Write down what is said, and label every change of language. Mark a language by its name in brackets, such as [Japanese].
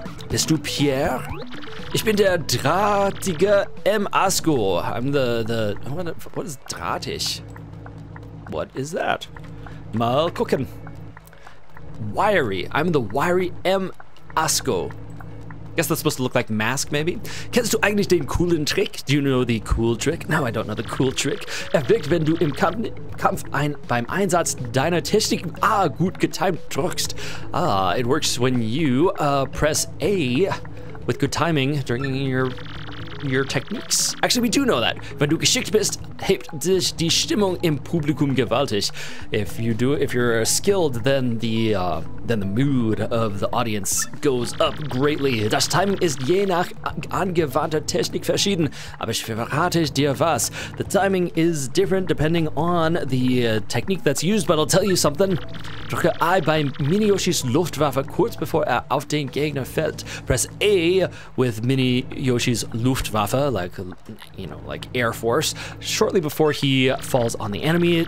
[German] Bist du Pierre? Ich bin der drahtige M. Asko. [English] I'm what is drahtig? What is that? [German] Mal gucken. [English] Wiry. I'm the wiry M. Asko. Guess that's supposed to look like mask, maybe? [German] Kennst du eigentlich den coolen Trick? [English] Do you know the cool trick? No, I don't know the cool trick. [German] Er wirkt, wenn du im Kampf beim Einsatz deiner Technik gut getimed drückst. [English] It works when you press A with good timing during your techniques. Actually, we do know that. [German] Wenn du geschickt bist, hebt dich die Stimmung im Publikum gewaltig. [English] If you're skilled, then the then the mood of the audience goes up greatly. [German] Das Timing ist je nach angewandter Technik verschieden, aber ich verrate dir was. [English] The timing is different depending on the technique that's used, but I'll tell you something. [German] Drücke I beim Mini-Yoshis Luftwaffe kurz bevor auf den Gegner fällt. [English] Press A with Mini-Yoshis Luftwaffe, like Air Force, shortly before he falls on the enemy.